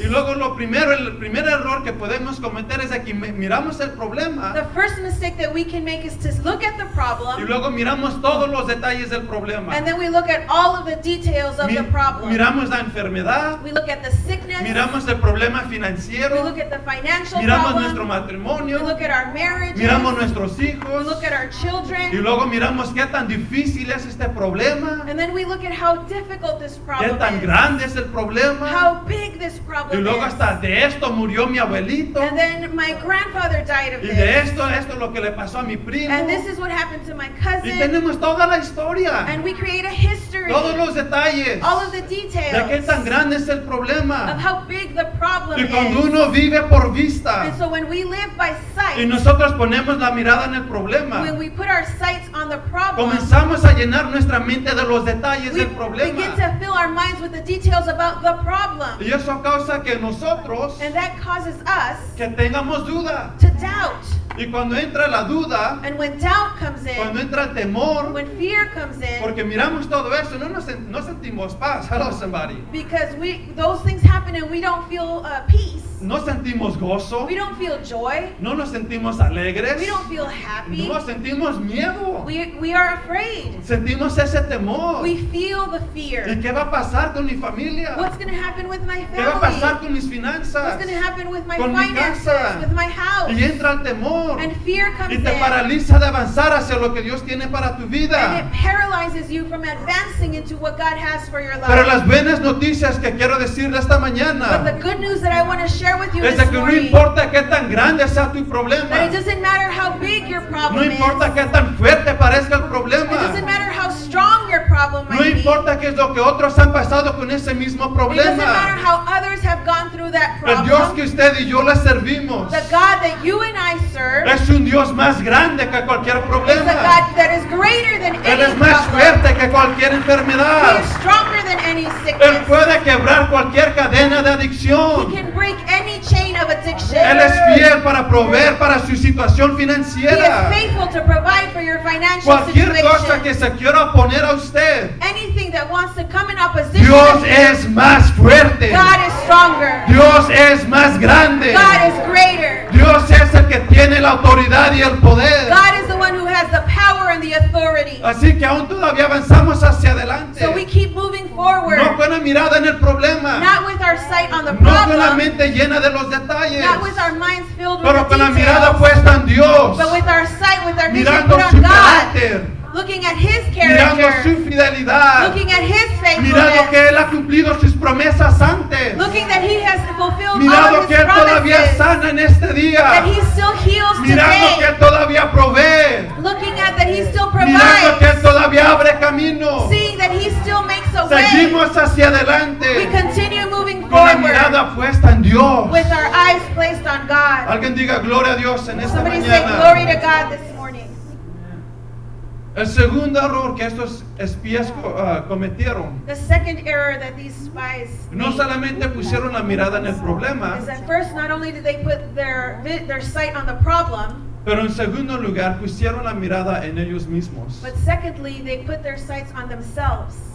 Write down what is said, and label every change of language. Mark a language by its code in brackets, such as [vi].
[es] Y luego lo primero, el primer error que podemos cometer es aquí miramos el problema. [en] The first mistake that we can make is to look at the problem. [es] Y luego miramos todos los detalles del problema. [en] And then we look at all of the details of the problem. [es] Miramos la enfermedad. [en] We look at the sickness. [es] Miramos el problema financiero. [en] We look at the financial problem. [es] Miramos nuestro matrimonio. [en] We look at our marriage. [es] Miramos nuestros hijos. [en] We look at our children. [es] Y luego miramos qué tan difícil es este problema. [en] And then we look at how difficult this problem is. [es] Qué tan grande es el problema. [en] How big this problem is. [es] Y luego hasta de esto murió mi abuelito. [en] And then my grandfather died of this. [es] Esto es lo que le pasó a mi primo. [en] And this is what happened to my cousin. [es] Y tenemos toda la historia. [en] And we create a history. [es] Todos los detalles. [en] All of the details. [es] De qué tan grande es el problema. [en] Of how big the problem [es] y cuando uno vive por vista. [en] And so when we live by sight. [es] Y nosotros ponemos la mirada en el problema. [en] When we put our sights on the problem. [es] Comenzamos a llenar nuestra mente de los detalles del problema. [en] We begin to fill our minds with the details about the problem. [es] Y eso causa que nosotros. [en] And that causes us. [es] Que tengamos duda. [en] To doubt. [es] Y cuando entra la duda, [en] and when doubt comes in, [es] cuando entra el temor, [en] when fear comes in, [es] porque miramos todo eso, no sentimos paz. [en] Hello, somebody. Because those things happen and we don't feel peace. [es] No sentimos gozo. [en] We don't feel joy. [es] No nos sentimos alegres. [en] We don't feel happy. [es] No sentimos miedo. [en] We are afraid. [es] Sentimos ese temor. [en] We feel the fear. [es] ¿Y qué va a pasar con mi familia? [en] What's going to happen with my family? [es] ¿Qué va a pasar con mis finanzas? [en] What's going to happen with my [es] con [en] finances? With my house? [es] Y entra el temor. [en] And fear comes in. [es] Y te paraliza de avanzar hacia lo que Dios tiene para tu vida. [en] And it paralyzes you from advancing into what God has for your life. [es] Pero las buenas noticias que quiero decirle esta mañana. [en] But the good news that I want to share with you [es] es que no importa qué tan grande sea tu problema. [en] That it doesn't matter how big your problem is. [es] No importa qué tan fuerte parezca el problema. [en] It doesn't matter how strong your problem might be. [es] No importa qué es lo que otros han pasado con ese mismo problema. [en] It doesn't matter how others have gone through that problem. [es] El Dios que usted y yo le servimos. [en] The God that you and I serve. [es] Es un Dios más grande que cualquier problema. [en] Is a God that is greater than any problem. [es] Él es más fuerte que cualquier enfermedad. [en] He is stronger than any sickness. [es] Él puede quebrar cualquier cadena de adicción. [en] He can break any chain of addiction. [es] Él es fiel para proveer para su situación financiera. [en] He is faithful to provide for your financial situation. [es] Cualquier cosa que se quiera oponer a usted. [en] Anything that wants to come in opposition. [es] Dios es más fuerte. [en] God is stronger. [es] Dios es más grande. [en] God is greater. [es] Dios es el que tiene la autoridad y el poder. [en] God is the one who has the power and the authority. [es] Así que aún todavía avanzamos hacia adelante. [en] So we keep moving forward. [es] No con la mirada en el problema. [en] Not with our sight on the problem. [es] No con la mente llena de los detalles. [en] Not with our minds filled [es] pero [en] with the details. [es] Pero con la mirada puesta en Dios. [en] But with our sight, with our [es] mirando [en] vision put on God. [es] Carácter. [en] Looking at His character. [es] Mirando su fidelidad. [en] Looking at His faithfulness. [es] Mirando que Él ha cumplido sus promesas antes. [en] Looking that He has fulfilled [es] mirando [en] all of His promises. [es] Mirando que Él todavía sana en este día. [en] That He still heals [es] mirando [en] today. [es] Mirando que Él todavía provee. [en] Looking at that He still provides. [es] Mirando que Él todavía abre camino. [en] Seeing that He still makes a [es] seguimos [en] way. [es] Seguimos hacia adelante. [en] We continue moving [es] con [en] forward. [es] Con la mirada puesta en Dios. [en] With our eyes placed on God. [es] Alguien diga gloria a Dios en esta [en] somebody [es] mañana. [en] Somebody say glory to God this morning. [es] El segundo error que estos espías cometieron. [en] The second error that these spies [es] no solamente pusieron la mirada en el problema. [en] Is that first not only did they put their sight on the problem. [es] Pero en segundo lugar pusieron la mirada en ellos mismos. [en] But secondly they put their sights on themselves.